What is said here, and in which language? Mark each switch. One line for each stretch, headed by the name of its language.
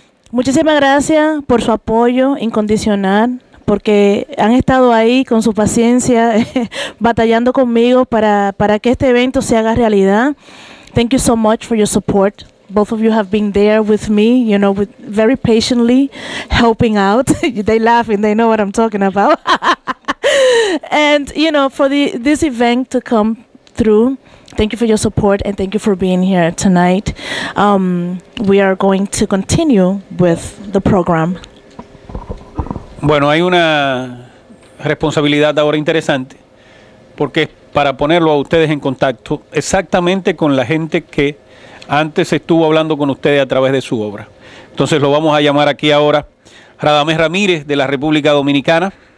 Spanish: Muchísimas gracias por su apoyo incondicional, porque han estado ahí con su paciencia batallando conmigo para que este evento se haga realidad.
English: Thank you so much for your support. Both of you have been there with me, you know, with very patiently helping out. They laughing, they know what I'm talking about. And, you know, for this event to come through, thank you for your support and thank you for being here tonight. We are going to continue with the program.
Spanish: Bueno, hay una responsabilidad ahora interesante, porque para ponerlo a ustedes en contacto exactamente con la gente que antes estuvo hablando con ustedes a través de su obra. Entonces lo vamos a llamar aquí ahora Radamés Ramírez, de la República Dominicana.